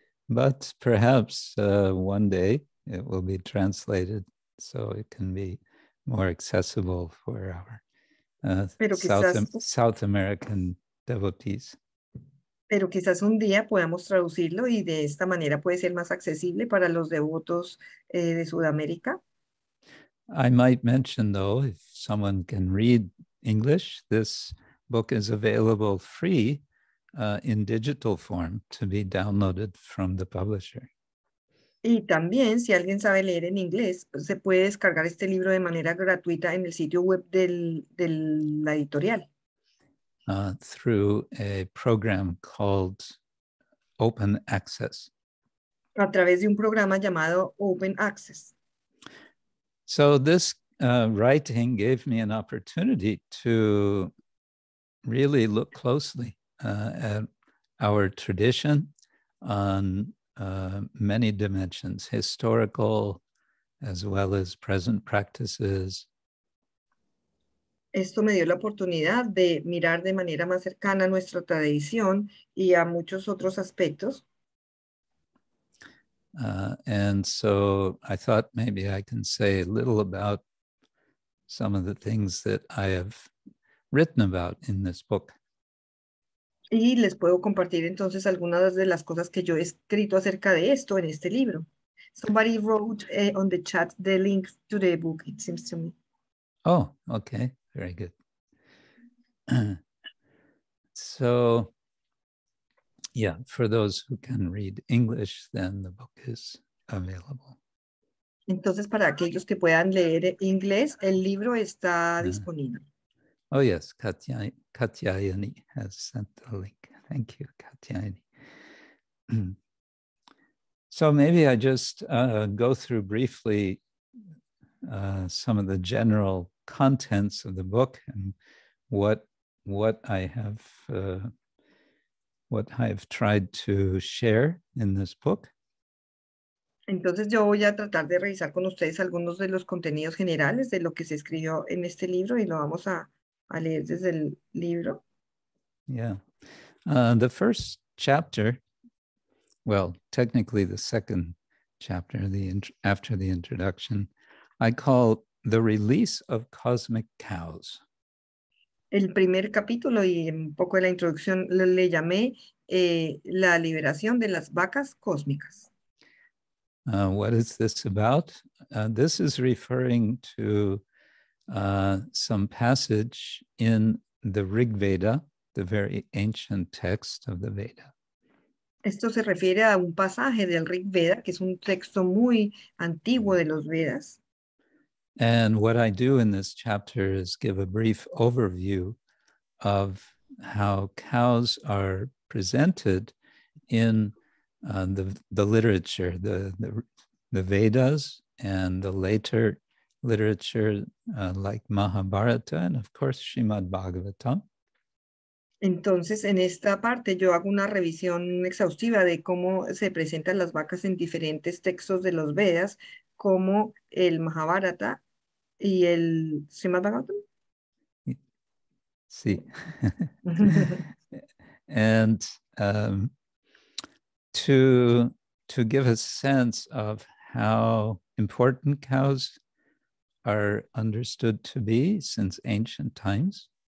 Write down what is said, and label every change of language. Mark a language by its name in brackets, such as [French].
[English] But perhaps one day it will be translated so it can be more accessible for our South American devotees. [Spanish] Pero quizás un día podamos traducirlo y de esta manera puede ser más accesible para los devotos de Sudamérica. [English] I might mention, though, if someone can read English, this book is available free in digital form to be downloaded from the publisher. [Spanish] Y también, si alguien sabe leer en inglés, se puede descargar este libro de manera gratuita en el sitio web del la editorial. [English] Through a program called Open Access. [Spanish] A través de un programa llamado Open Access. [English] So this writing gave me an opportunity to really look closely at our tradition on many dimensions, historical as well as present practices. [Spanish] Esto me dio la oportunidad de mirar de manera más cercana nuestra tradición y a muchos otros aspectos. [English] And so I thought maybe I can say a little about some of the things that I have written about in this book. [Spanish] Y les puedo compartir entonces algunas de las cosas que yo he escrito acerca de esto en este libro. [English] Somebody wrote on the chat the link to the book, it seems to me. Oh, okay. Very good. So, yeah, for those who can read English, then the book is available. [Spanish] Entonces, para aquellos que puedan leer inglés, el libro está disponible. [English] Oh, yes, Katyayani has sent the link. Thank you, Katyayani. So maybe I just go through briefly some of the general contents of the book and what I have tried to share in this book. [Spanish] Entonces yo voy a tratar de revisar con ustedes algunos de los contenidos generales de lo que se escribió en este libro y lo vamos a leer desde el libro. [English] Yeah. The first chapter, well, technically the second chapter, after the introduction, I call The Release of Cosmic Cows. [Spanish] El primer capítulo y un poco de la introducción le llamé La Liberación de las Vacas Cósmicas. [English] What is this about? This is referring to some passage in the Rig Veda, the very ancient text of the Veda. [Spanish] Esto se refiere a un pasaje del Rig Veda, que es un texto muy antiguo de los Vedas. [English] And what I do in this chapter is give a brief overview of how cows are presented in the literature, the Vedas, and the later literature like Mahabharata and of course Srimad Bhagavatam. [Spanish] Entonces, en esta parte yo hago una revisión exhaustiva de cómo se presentan las vacas en diferentes textos de los Vedas, como el Mahabharata y el Srimad Bhagavatam. Sí. [English] And to give a sense of how important cows are understood to be since ancient times.